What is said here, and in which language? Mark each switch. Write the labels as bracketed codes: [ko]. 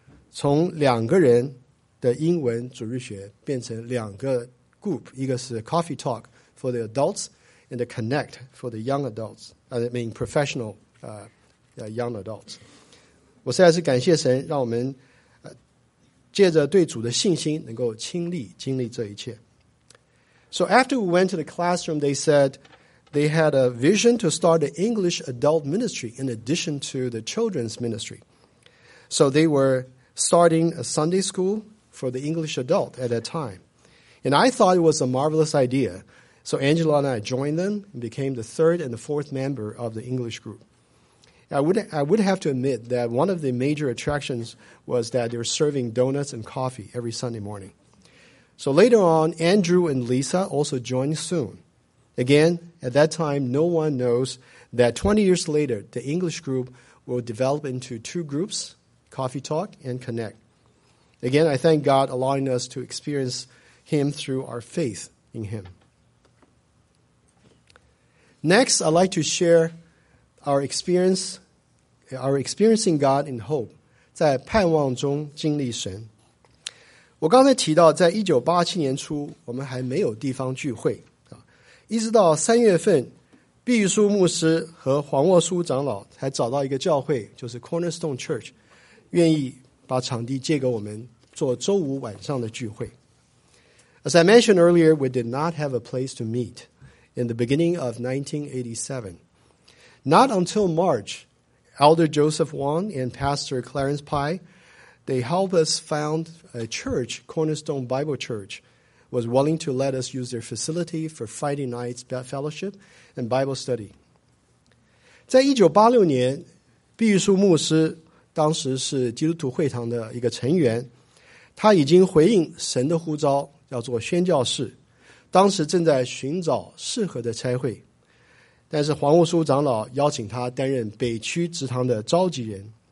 [zh] 从两个人的英文主日学变成两个 [en] group， [zh] 一个是 [en] Coffee Talk for the adults and the Connect for the young adults, I mean professional young adults. [zh] 我实在是感谢神让我们借着对主的信心能够亲历这一切。 [en] So after we went to the classroom, they said they had a vision to start an English adult ministry in addition to the children's ministry. So they were starting a Sunday school for the English adult at that time. And I thought it was a marvelous idea. So Angela and I joined them and became the third and the fourth member of the English group. I would have to admit that one of the major attractions was that they were serving donuts and coffee every Sunday morning. So later on, Andrew and Lisa also joined soon. Again, at that time, no one knows that 20 years later, the English group will develop into two groups, Coffee Talk, and Connect. Again, I thank God allowing us to experience Him through our faith in Him. Next, I'd like to share our experiencing God in hope. [zh] 在盼望中经历神。我刚才提到在1987年初 我们还没有地方聚会。一直到3月份 毕玉书牧师和黄沃书长老 才找到一个教会， 就是Cornerstone Church， 愿意把场地借给我们做周五晚上的聚会。 [en] As I mentioned earlier, we did not have a place to meet in the beginning of 1987. Not until March, Elder Joseph Wong and Pastor Clarence Pai, they helped us found a church, Cornerstone Bible Church, was willing to let us use their facility for Friday night's fellowship and Bible study. [zh] 在1986年, 毕玉书牧师 当时是基督徒会堂的一个成员，他已经回应神的呼召，要做宣教士。当时正在寻找适合的差会，但是黄牧师长老邀请他担任北区职堂的召集人。